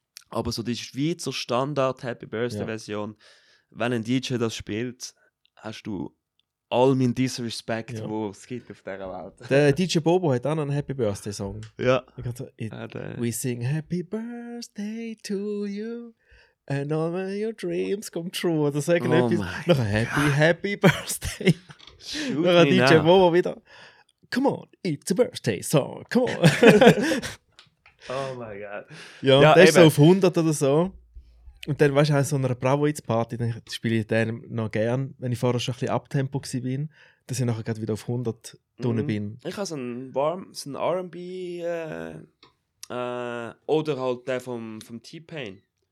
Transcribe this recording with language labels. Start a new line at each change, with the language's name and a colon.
German: Aber so die Schweizer Standard Happy Birthday Version, wenn ein DJ das spielt, hast du all meinen Disrespect, wo es gibt auf dieser Welt. Der DJ Bobo hat auch einen Happy Birthday Song. Ja.
English: We sing Happy Birthday to you and all your dreams come true.
German: Oder sagen noch Happy, Happy Birthday. Noch ein DJ Bobo wieder.
English: Come on, it's a birthday song, come on. Oh
German: mein Gott. Ja, der ist so auf 100 oder so. Und dann, weißt du, an so einer Bravo-Hits-Party, dann spiele ich den noch gern, wenn ich vorher schon ein bisschen Abtempo war, dass ich nachher gerade wieder auf 100 drinnen bin. Ich habe so einen R'n'B oder halt der vom T-Pain.